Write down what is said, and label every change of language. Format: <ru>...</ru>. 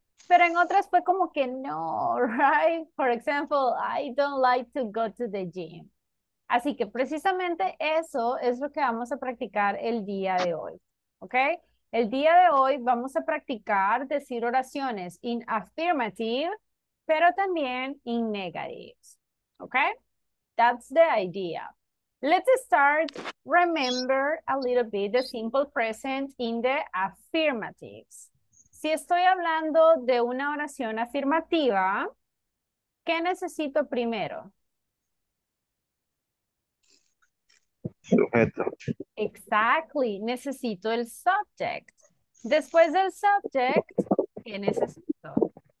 <es>Pero en otras fue como que no, right?</es> <en>For example, I don't like to go to the gym.</en> <es>Así que precisamente eso es lo que vamos a practicar el día de hoy, ¿ok? El día de hoy vamos a practicar decir oraciones</es> <en>in affirmative,</en> <es>pero también</es> <en>in negatives,</en> <es>¿ok?</es> <en>That's the idea. Let's start, remember a little bit the simple present in the affirmatives.</en> <es>Si estoy hablando de una oración afirmativa, ¿qué necesito primero? Sujeto. Exactly. Necesito el subject. Después del subject, ¿qué necesito?</es>